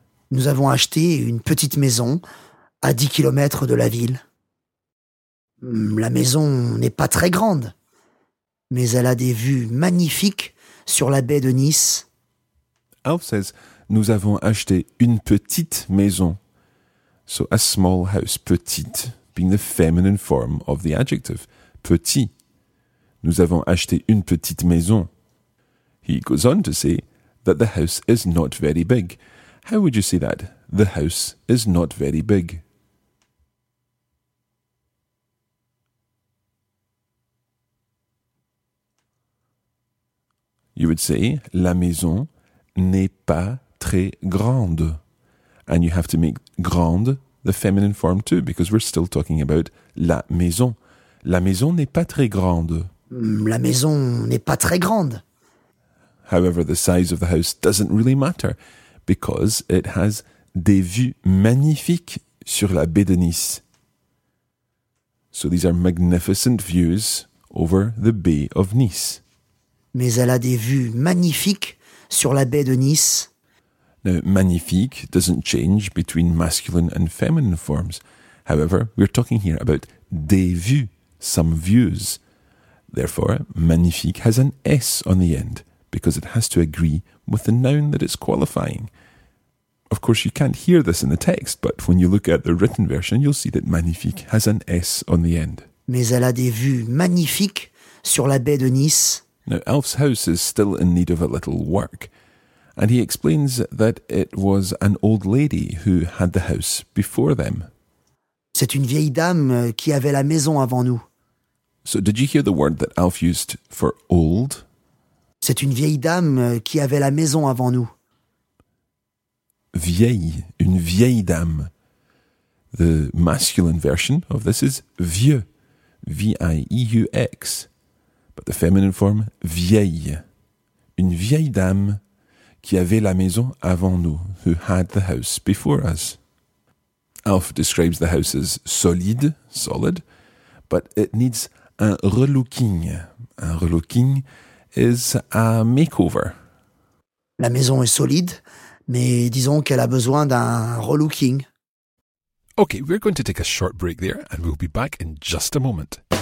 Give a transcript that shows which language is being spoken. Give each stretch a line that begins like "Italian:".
French: Nous avons acheté une petite maison à 10 kilomètres de la ville. La maison n'est pas très grande, mais elle a des vues magnifiques sur la baie de Nice.
English: Alf says,
French: nous avons acheté une petite maison.
English: So a small house, petite, being the feminine form of the adjective, petit.
French: Nous avons acheté une petite maison.
English: He goes on to say that the house is not very big. How would you say that? The house is not very big. You would say,
French: la maison n'est pas très grande.
English: And you have to make grande the feminine form too, because we're still talking about la maison.
French: La maison n'est pas très grande. La maison n'est pas très grande.
English: However, the size of the house doesn't really matter, because it has
French: des vues magnifiques sur la baie de Nice.
English: So these are magnificent views over the Bay of Nice.
French: Mais elle a des vues magnifiques sur la baie de Nice.
English: Now, magnifique doesn't change between masculine and feminine forms. However, we're talking here about des vues, some views. Therefore, magnifique has an S on the end because it has to agree with the noun that it's qualifying. Of course, you can't hear this in the text, but when you look at the written version, you'll see that magnifique has an S on the end.
French: Mais elle a des vues magnifiques sur la baie de Nice.
English: Now, Alf's house is still in need of a little work, and he explains that it was an old lady who had the house before them.
French: C'est une vieille dame qui avait la maison avant nous.
English: So did you hear the word that Alf used for old?
French: C'est une vieille dame qui avait la maison avant nous. Vieille, une vieille dame.
English: The masculine version of this is vieux, V-I-E-U-X. But the feminine form, vieille.
French: Une vieille dame qui avait la maison avant nous,
English: who had the house before us. Alf describes the house as solide, solid, but it needs un relooking. Un relooking is a makeover.
French: La maison est solide, mais disons qu'elle a besoin d'un relooking.
English: Okay, we're going to take a short break there and we'll be back in just a moment.